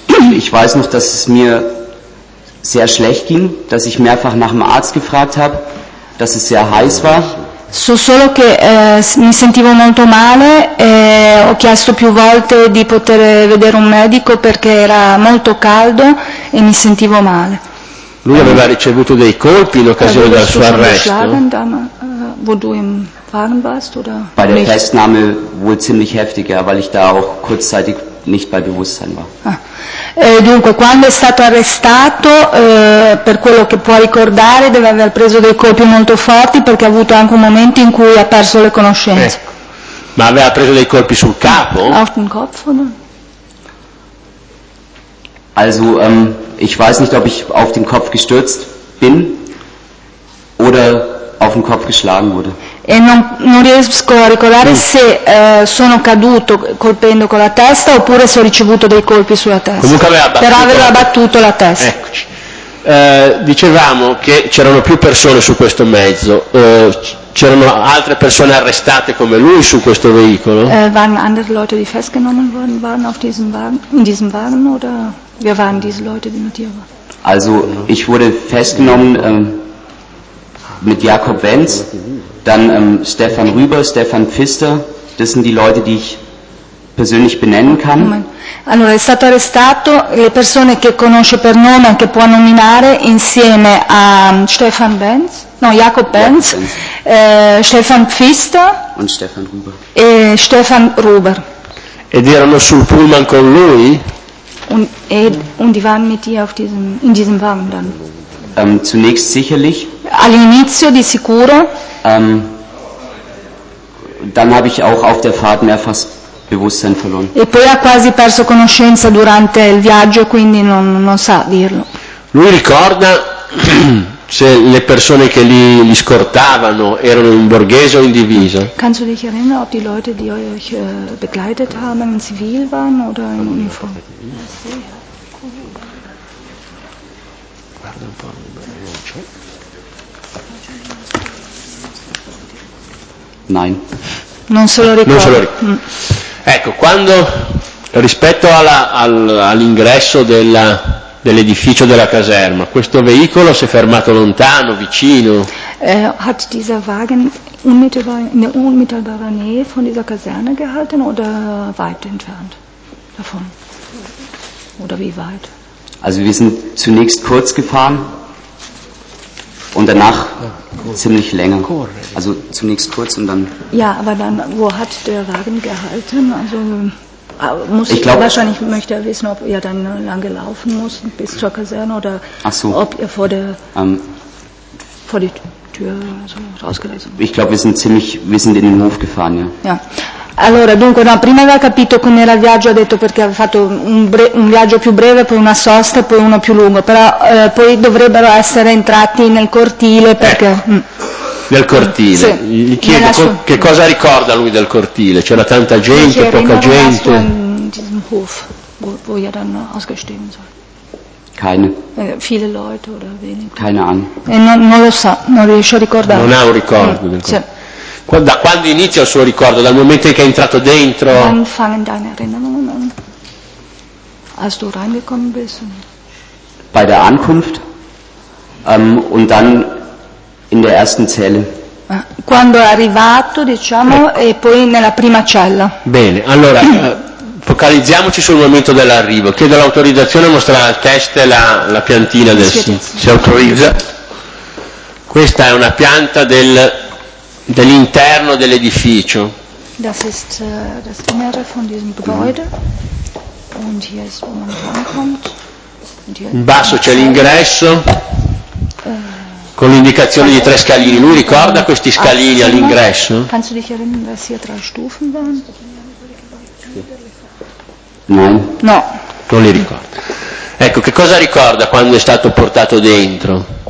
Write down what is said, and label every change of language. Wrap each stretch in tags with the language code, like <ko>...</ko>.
<de>Ich weiß noch, dass es mir sehr schlecht ging, dass ich mehrfach nach dem Arzt gefragt habe, dass es sehr heiß war.</de> <it>So solo che mi sentivo molto male e ho chiesto più volte di poter vedere un medico perché era molto caldo e mi sentivo male. Lui aveva ricevuto dei colpi in occasione del suo arresto.</it> <de>Wo du im Wagen warst oder bei der Festnahme wohl ziemlich heftig, ja, weil ich da auch kurzzeitig nicht bei Bewusstsein war.</de> <it>Dunque, quando è stato arrestato, per quello che può ricordare, deve aver preso dei colpi molto forti perché ha avuto anche un momento in cui ha perso le conoscenze. Ma aveva preso dei colpi sul capo?</it> <de>Auf den Kopf, oder? Also, ich weiß nicht, ob ich auf den Kopf gestürzt bin oder auf den Kopf geschlagen wurde.</de> <it>E non riesco a ricordare se sono caduto colpendo con la testa oppure se ho ricevuto dei colpi sulla testa. Comunque aveva battuto la testa. Eccoci. Dicevamo che c'erano più persone su questo mezzo. C'erano altre persone arrestate come lui su questo veicolo?</it> <de>Waren andere Leute, die festgenommen worden waren auf diesem Wagen, in diesem Wagen, oder wir waren diese Leute, die mit dir waren? Also, ich wurde festgenommen mit Jakob Wenz. Dann Stefan Rüber, Stefan Pfister, das sind die Leute, die ich persönlich benennen kann.</de> <it>Allora, è stato arrestato le persone che conosce per nome, che può nominare, insieme a Stefan Benz, no, Jakob Benz, Stefan Pfister</it> <de>und Stefan Rüber.</de> <it>E Stefan Rüber. Ed erano sul pullman con lui?</it> <de>Und die waren mit dir in diesem Wagen dann? Zunächst sicherlich.</de> <it>All'inizio di sicuro.</it> <de>Dann habe ich auch auf der Fahrt mehrfach Bewusstsein verloren.</de> <it>E poi ha quasi perso conoscenza durante il viaggio, quindi non sa dirlo. Lui ricorda se le persone che li scortavano erano in borghese o in divisa?</it> <de>Kannst du dich erinnern, ob die Leute, die euch begleitet haben, in zivil waren oder in uniform?</de> <it>Guarda un po', non c'è.</it> <de>Nein.</de> <it>Non se lo ricordo. Ecco, quando rispetto all'ingresso dell'edificio della caserma, questo veicolo si è fermato lontano, vicino.</it> <de>Hat dieser Wagen unmittelbar in der unmittelbaren Nähe von dieser Kaserne gehalten oder weit entfernt? davon? Oder wie weit? Also wir sind zunächst kurz gefahren und danach ziemlich länger. Also zunächst kurz und dann... Ja, aber dann, wo hat der Wagen gehalten? Also muss ich glaub, wahrscheinlich möchte er wissen, ob ihr dann lang gelaufen muss bis zur Kaserne oder ob ihr vor der vor die Tür so rausgelassen habt. Ich glaube, wir sind in den Hof gefahren, ja. Ja.</de> <it>Allora, dunque, no, prima aveva capito com'era il viaggio, ha detto perché aveva fatto un viaggio più breve, poi una sosta e poi uno più lungo, però poi dovrebbero essere entrati nel cortile perché... Nel cortile, sì. Gli chiedo che cosa ricorda lui del cortile, c'era tanta gente, c'era poca gente?</it> <de>In Hof, wo er dann ausgestiegen soll. Keine. Viele Leute oder wenige. Keine Ahnung.</de> <it>Non lo sa, non riesce a ricordare. Non ha un ricordo. Sì. Da quando inizia il suo ricordo? Dal momento che è entrato dentro? Wann fangen deine Erinnerungen an? Als du reingekommen bist? Bei der Ankunft und dann in der ersten Zelle. Quando è arrivato, diciamo, ecco. E poi nella prima cella. Bene, allora focalizziamoci sul momento dell'arrivo. Chiedo l'autorizzazione a mostrare al test la piantina del si autorizza. Questa è una pianta dell'interno dell'edificio.</it> <de>Das ist das Innere von diesem Gebäude. Und hier ist, wo man reinkommt.</de> <it>In basso c'è l'ingresso con l'indicazione di 3 scalini. Lui ricorda questi scalini all'ingresso?</it> <de>Kannst du dich erinnern, dass hier 3 Stufen waren?</de> <it>No. Non li ricorda. Ecco, che cosa ricorda quando è stato portato dentro?</it>